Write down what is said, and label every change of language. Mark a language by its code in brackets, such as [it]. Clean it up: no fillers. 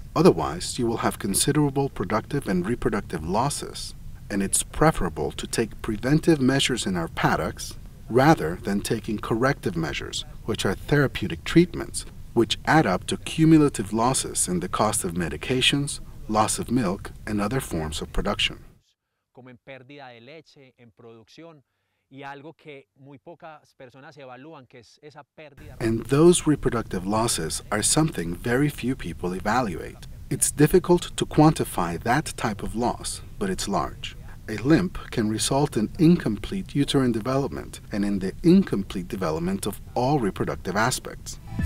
[en] Otherwise, you will have considerable productive and reproductive losses, and it's preferable to take preventive measures in our paddocks rather than taking corrective measures, which are therapeutic treatments, which add up to cumulative losses in the cost of medications, loss of milk, and other forms of production. [es] Como en pérdida de leche, en producción, y algo que muy pocas personas evalúan, que es esa pérdida. [en] And those reproductive losses are something very few people evaluate. It's difficult to quantify that type of loss, but it's large. A limp can result in incomplete uterine development and in the incomplete development of all reproductive aspects.